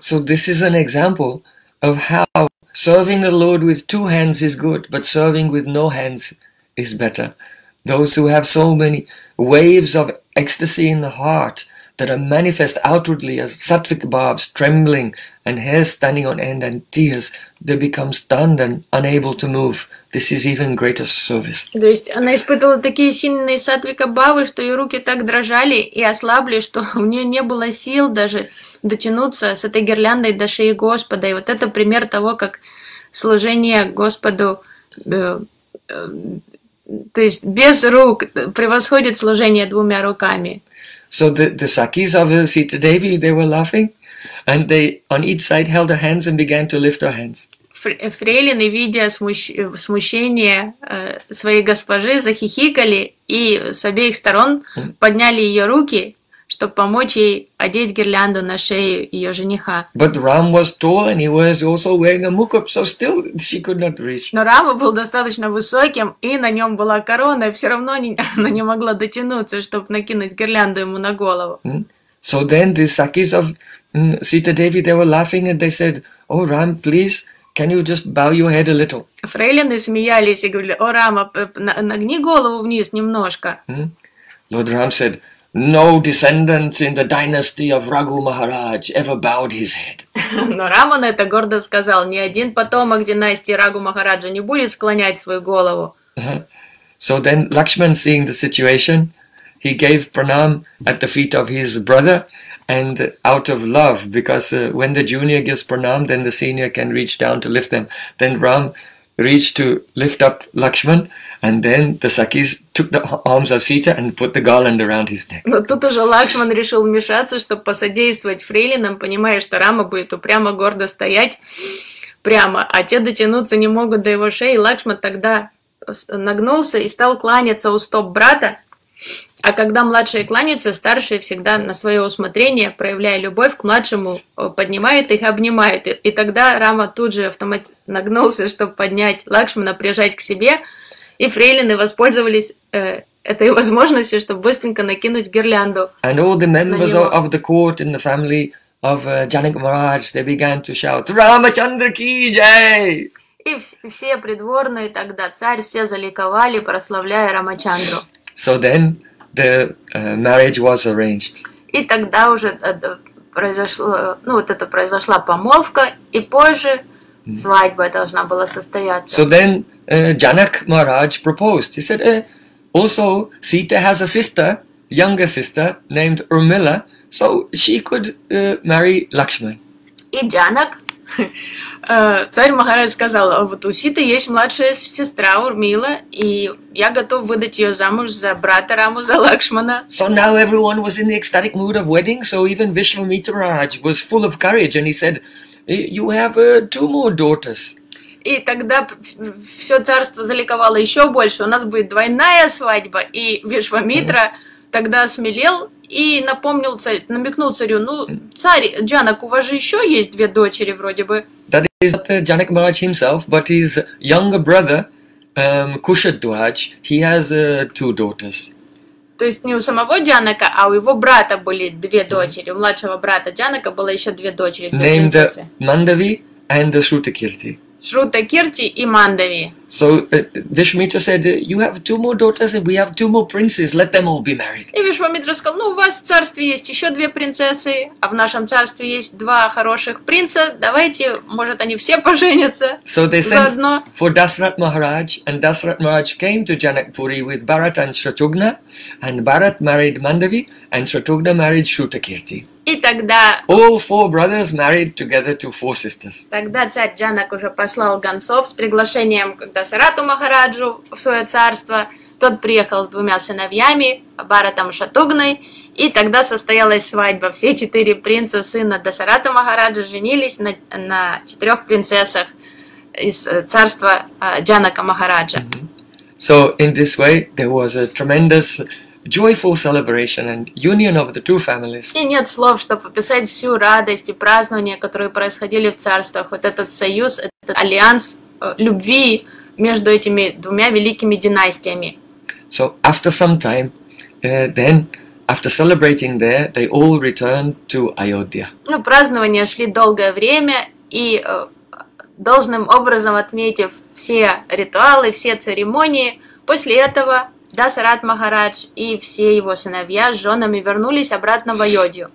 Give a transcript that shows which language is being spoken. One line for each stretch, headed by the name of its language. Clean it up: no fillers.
English: So this is an example of how serving the Lord with two hands is good, but serving with no hands is better. Those who have so many waves of ecstasy in the heart that are manifest outwardly as sattvic bhavs, trembling and hair standing on end and tears, they become stunned and unable to move. This is even greater service.
Russian: То есть она испытывала такие сильные сатвика бавы, что ее руки так дрожали и ослабли, что у нее не было сил даже дотянуться с этой гирляндой до шеи Господа. И вот это пример того, как служение Господу, то есть без рук, превосходит служение двумя руками.
English: So the sakis of Sita Devi, they were laughing, and they on each side held her hands and began to lift her hands.
Russian: Фрейлины, видя смущение своей госпожи, захихикали и с обеих сторон подняли ее руки, чтобы помочь ей одеть гирлянду на шею ее жениха.
English: But Ram was tall and he was also wearing a mukup, so still she could not reach.
Russian: Но Рама был достаточно высоким и на нем была корона, и все равно она не могла дотянуться, чтобы накинуть гирлянду ему на голову.
English: So then the sakis of Sita Devi, they were laughing and they said, "Oh Ram, please, can you just bow your head a little?"
Russian: Фрейлины смеялись и говорили: "О, Рама, нагни голову вниз немножко."
English: Lord Ram said, "No descendants in the dynasty of Raghu Maharaj ever bowed his head."
Russian: Но Рама на это гордо сказал: "Ни один потомок династии Рагу Махараджа не будет склонять свою голову."
English: So then Lakshman, seeing the situation, he gave pranam at the feet of his brother. And out of love, because when the junior gives pranam, then the senior can reach down to lift them. Then Ram reached to lift up Lakshman, and then the sakis took the arms of Sita and put the garland around his neck.
Russian: Но тут уже Лакшман решил вмешаться, чтобы посодействовать фрейлинам, понимая, что Рама будет упрямо гордо стоять прямо, а те дотянуться не могут до его шеи. Лакшман тогда нагнулся и стал кланяться у стоп брата. А когда младшие кланяются, старшие всегда на свое усмотрение, проявляя любовь к младшему, поднимают их, обнимают. И тогда Рама тут же автоматически нагнулся, чтобы поднять Лакшмана, прижать к себе. И фрейлины воспользовались этой возможностью, чтобы быстренько накинуть гирлянду.
English: And all the members of the court and the family of Janak Maharaj, they began to shout, "Ramachandra ki jai!"
Russian: И все придворные тогда, царь, все заликовали, прославляя Рамачандру.
English: So then the marriage was arranged.
Russian: И тогда уже произошло, ну вот это произошла помолвка, и позже свадьба должна была состояться.
English: So then Janak Maharaj proposed. He said, "Also, Sita has a sister, younger sister, named Urmila, so she could marry Lakshman."
Russian: И Janak, царь Махарадж сказал: "Вот у Ситы есть младшая сестра Урмила, и я готов выдать ее замуж за брата Раму, за Лакшмана."
English: So now everyone was in the ecstatic mood of wedding. So even Vishwamitra Maharaj was full of courage, and he said, "You have two more daughters."
Russian: И тогда все царство заликовало еще больше. У нас будет двойная свадьба, и Вишвамитра тогда осмелел и напомнил царю, намекнул царю: "Ну, царь Джанак, у вас же еще есть две дочери, вроде бы."
English: That is not Janak Maharaj himself, but his younger brother, Kushadwaj, he has two daughters.
Russian: То есть не у самого Джанака, а у его брата были две дочери. У младшего брата Джанака было еще две дочери.
English: Named Mandavi and Shrutakirti.
Russian: Shrutakirti и Mandavi.
English: So Вишвамитра said, you have two more daughters and we have two more princes, let them all be married.
Russian: И Вишвамитра сказал, ну у вас в царстве есть еще две принцессы, а в нашем царстве есть два хороших принца, давайте, может они все поженятся
English: So they
Russian: заодно.
English: Sent for Dasrat Maharaj, and Dasrat Maharaj came to Janakpuri with Bharat and Shatrughna, and Bharat married Mandavi, and Shatrughna married Shrutakirti.
Russian: И тогда
English: All four brothers married together to four sisters.
Russian: Тогда царь Джанак уже послал гонцов с приглашением к Дасарату Махараджу в свое царство. Тот приехал с двумя сыновьями, Бхаратом и Шатугной, и тогда состоялась свадьба. Все четыре принца, сына Дасарата Махараджа, женились на четырех принцессах из царства Джанака Махараджа.
English: So in this way there was a tremendous joyful celebration and union of the two families.
Russian: И нет слов, чтобы описать всю радость и празднования, которые происходили в царствах. Вот этот союз, этот альянс любви между этими двумя великими династиями.
English: So after some time, then after celebrating there, they all returned to Ayodhya.
Russian: Ну, празднования шли долгое время, и должным образом отметив все ритуалы, все церемонии, после этого Дасарат Махарадж и все его сыновья с женами вернулись обратно в Айодхью.